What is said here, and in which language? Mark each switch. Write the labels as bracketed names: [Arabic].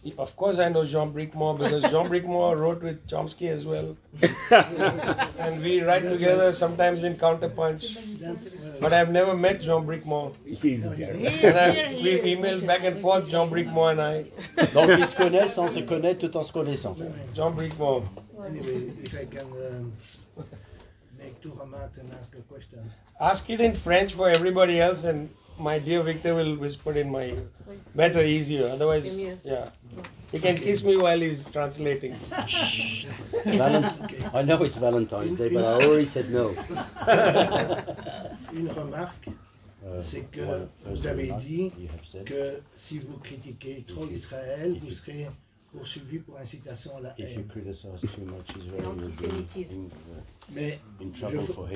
[English] Of course I know Jean Bricmont, because Jean Bricmont wrote with Chomsky as well. And we write together sometimes in counterpunch. But I've never met Jean Bricmont. He's here. We've emailed back and forth, Jean Bricmont and I. [French] Donc ils se connaissent sans se connaître tout en se connaissant. [English] Jean Bricmont. Anyway, if I can make two remarks and ask a question. Ask it in French for everybody else and... My dear Victor will whisper in my ear. Better, easier. Otherwise, yeah. He can kiss me while he's translating. Shh. I know it's Valentine's Day, but I already said no. [French] Une remarque, c'est que vous avez dit que si vous critiquez trop Israël, vous serez poursuivi pour incitation à la haine. [English] If you criticize too much Israel, you'll be